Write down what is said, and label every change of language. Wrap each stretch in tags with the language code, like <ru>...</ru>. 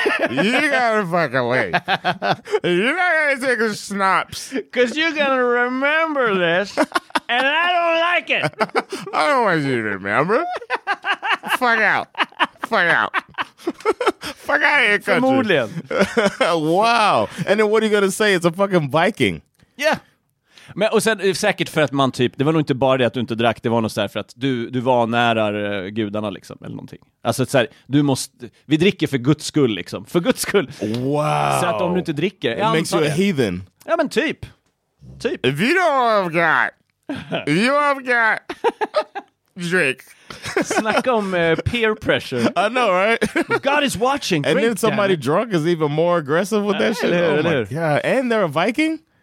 <en>You gotta fucking wait. You're not gonna take the snaps. Because you're gonna remember this. And I don't like it. I don't want you to remember. Fuck out. Fuck out. Fuck out of your country.</en> <sv>Förmodligen.</sv> <en>Wow. And then what are you gonna say? It's a fucking Viking. Yeah.</en> <sv>Men, och sen säkert för att man typ, det var nog inte bara det att du inte drack, det var nog så här för att du var nära gudarna liksom, eller någonting. Alltså så här, du måste, vi dricker för Guds skull liksom, för Guds skull. Wow. Så att om du inte dricker,</sv> <en>it makes you a heathen.</en> <sv>Ja men typ.</sv> <en>If you don't have God, you have God, drink.</en> <sv>Snacka om peer pressure.</sv> <en>I know, right? God is watching. And drink, then somebody drunk is even more aggressive with that shit. Oh my God. And they're a Viking?</en>